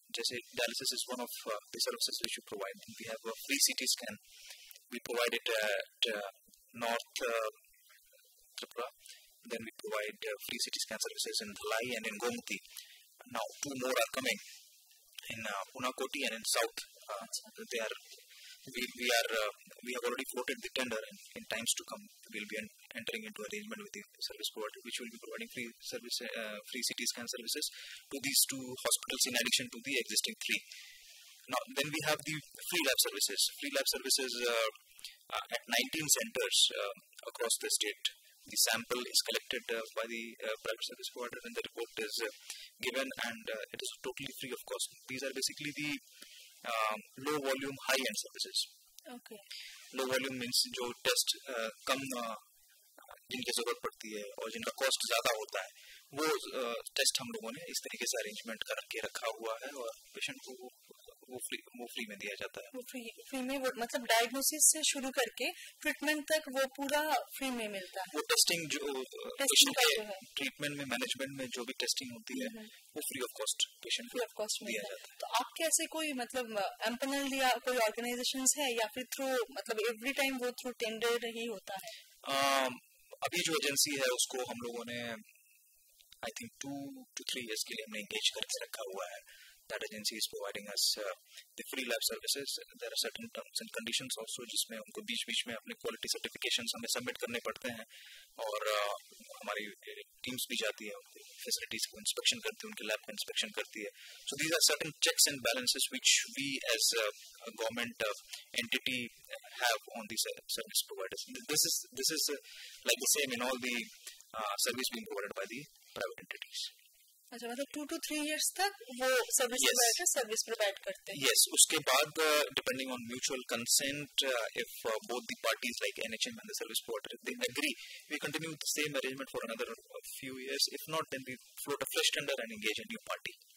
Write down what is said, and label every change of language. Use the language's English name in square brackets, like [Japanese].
[English] जैसे dialysis is one of the services we should provide, we have a free CT scan, we provide it at North Tripura, then we provide free CT scan services in Dhalai and in Gomati, now two more are coming in Punakoti and in South. We have already floated the tender, and in times to come we'll be entering into arrangement with the service provider which will be providing free service, free CT scan services to these two hospitals in addition to the existing three. Now then we have the free lab services. Free lab services at 19 centers across the state. The sample is collected by the private service provider and the report is given, and it is totally free of cost. These are basically the low volume, high end services. Okay. [Hindi] Low volume means jo test kam jinke zarurat padti hai aur jinka cost zyada hota hai wo test hum logon ne is tarike se arrangement karke rakha hua hai aur patient ko वो free में दिया जाता है। Free में मतलब diagnosis से शुरू करके ट्रीटमेंट तक वो पूरा फ्री में मिलता है। वो टेस्टिंग जो पेशेंट का ट्रीटमेंट में मैनेजमेंट में जो भी टेस्टिंग होती है वो free of cost patient free of cost दिया जाता है। तो आपके ऐसे कोई मतलब एम्पैनल या कोई ऑर्गेनाइजेशन है या फिर थ्रू मतलब एवरी टाइम वो थ्रू टेंडर ही होता है? अभी जो एजेंसी है उसको हम लोगों ने [English] I think [Hindi] 2-3 इयर्स के लिए हमने एंगेज करके रखा हुआ है। [English] That agency is providing us the free lab services. There are certain terms and conditions also, [Hindi] जिसमें उनको बीच-बीच में अपने quality certifications हमें submit करने पड़ते हैं, और हमारी teams भी जाती है, facilities को inspection करती है, उनके lab का inspection करती है. [English] So these are certain checks and balances which we as a government entity have on these service providers. This is like the same in all the service being provided by the private entities. [Hindi] अच्छा, मतलब 2-3 years तक वो service provider service provide करते हैं। [English] yes, [Hindi] उसके बाद [English] Depending on mutual consent, if both the parties like NHM and the service provider they agree, we continue the same arrangement for another few years, if not then we float a fresh tender and engage a new party.